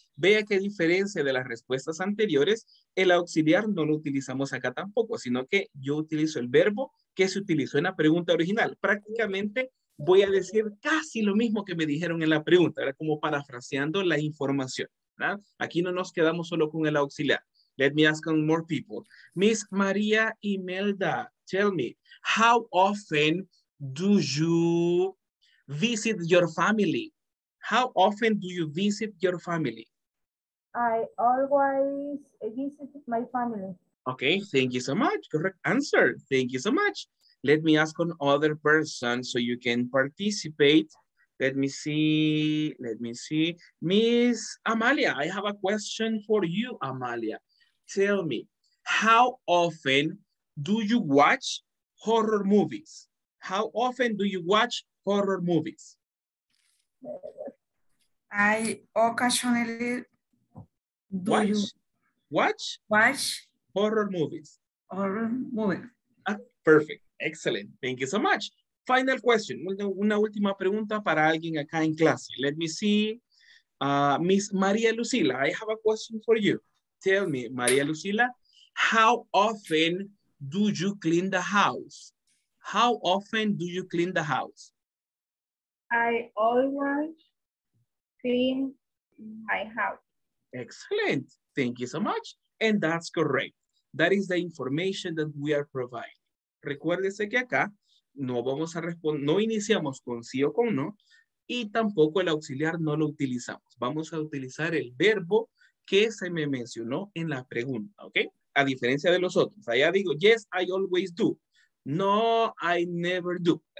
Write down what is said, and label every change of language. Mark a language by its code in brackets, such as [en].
[es] Vea qué diferencia de las respuestas anteriores, el auxiliar no lo utilizamos acá tampoco, sino que yo utilizo el verbo que se utilizó en la pregunta original. Prácticamente voy a decir casi lo mismo que me dijeron en la pregunta, era como parafraseando la información, ¿verdad? Aquí no nos quedamos solo con el auxiliar. [en] Let me ask on more people. Miss María Imelda, tell me, how often do you visit your family? How often do you visit your family? I always visit my family. Okay, thank you so much. Correct answer. Thank you so much. Let me ask on other person so you can participate. Let me see. Let me see. Miss Amalia, I have a question for you, Amalia. Tell me, how often do you watch horror movies? How often do you watch horror movies? I occasionally do watch horror movies. Horror movies. Ah, perfect. Excellent. Thank you so much. Final question. [es] Una última pregunta para alguien acá en clase. [en] Let me see. Miss María Lucila, I have a question for you. Tell me, María Lucila, how often do you clean the house? How often do you clean the house? I always clean my house. Excellent. Thank you so much. And that's correct. That is the information that we are providing. [es] Recuérdese que acá no vamos a responder, no iniciamos con sí o con no, y tampoco el auxiliar no lo utilizamos. Vamos a utilizar el verbo que se me mencionó en la pregunta, ¿ok? A diferencia de los otros. Allá digo, [en] yes, I always do. No, I never do.